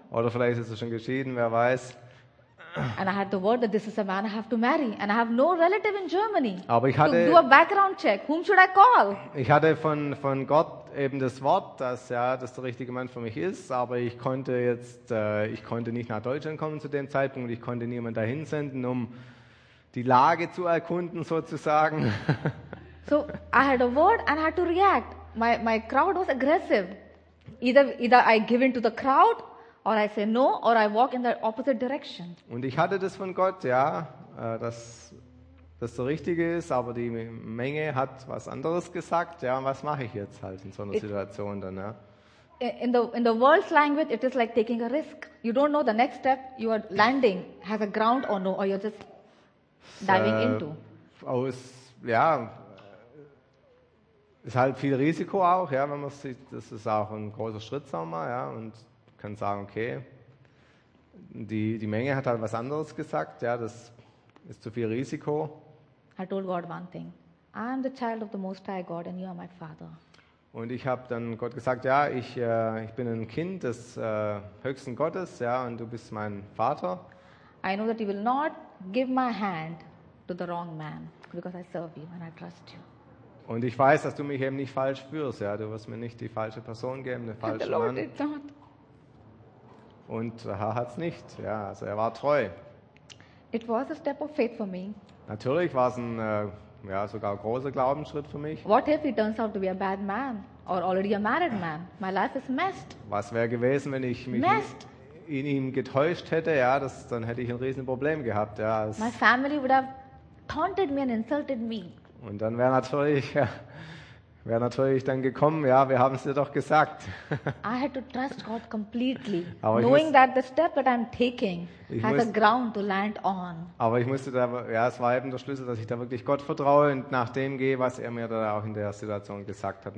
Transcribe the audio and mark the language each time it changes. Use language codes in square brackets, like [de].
[de] Oder vielleicht ist er schon geschieden, wer weiß. [en] And I had the word that this is a man I have to marry and I have no relative in Germany. [de] Aber ich hatte, [en] to do a background check, whom should I call? [de] Ich hatte von Gott eben das Wort, dass ja, das der richtige Mann für mich ist, aber ich konnte jetzt, ich konnte nicht nach Deutschland kommen zu dem Zeitpunkt, ich konnte niemanden dahin senden, um die Lage zu erkunden sozusagen. [en] So I had a word and I had to react. My crowd was aggressive. Either I give in to the crowd or I say no or I walk in the opposite direction. [de] Und ich hatte das von Gott, ja, dass das der Richtige ist, aber die Menge hat was anderes gesagt, ja, und was mache ich jetzt halt in so einer Situation dann, ja? [en] In the world's language it is like taking a risk. You don't know the next step you are landing has a ground or no, or you're just diving into. [de] Aus, ja, ist halt viel Risiko auch, ja, wenn man sich, das ist auch ein großer Schritt, sagen wir mal, ja, und kann sagen, okay, die Menge hat halt was anderes gesagt, ja, das ist zu viel Risiko. [en] I told God one thing. I am the child of the Most High God and you are my father. [de] Und ich habe dann Gott gesagt, ja, ich bin ein Kind des höchsten Gottes, ja, und du bist mein Vater. [en] I know that you will not give my hand to the wrong man because I serve you and I trust you. [de] Und ich weiß, dass du mich eben nicht falsch führst, ja, du wirst mir nicht die falsche Person geben, den falschen [en] the Lord [de] Mann. [en] Did not. [de] Und er hat's nicht, ja, also er war treu. [en] It was a step of faith for me. [de] Natürlich war es ein ja, sogar großer Glaubensschritt für mich. [en] What if he turns out to be a bad man or already a married man? My life is messed. [de] Was wäre gewesen, wenn ich mich [en] messed. [de] In ihm getäuscht hätte, ja, das, dann hätte ich ein riesen Problem gehabt, ja. [en] My family would have taunted me and insulted me. [de] Und dann wäre natürlich dann gekommen, ja, wir haben es dir doch gesagt. [en] I had to trust God completely, knowing that the step that I'm taking has a ground to land on. [de] Aber ich musste da, ja, es war eben der Schlüssel, dass ich da wirklich Gott vertraue und nach dem gehe, was er mir da auch in der Situation gesagt hat.